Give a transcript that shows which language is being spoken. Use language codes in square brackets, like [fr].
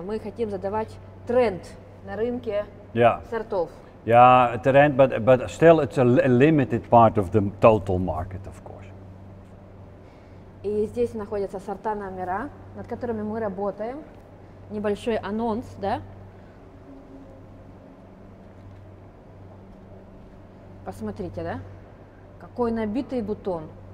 [ru] Мы хотим задавать тренд на рынке сортов. [en] Yeah, trend, but still it's a limited part of the total market, of course. [ru] И здесь находятся сорта номера, над которыми мы работаем. Небольшой анонс, да? Посмотрите, да? Какой набитый бутон.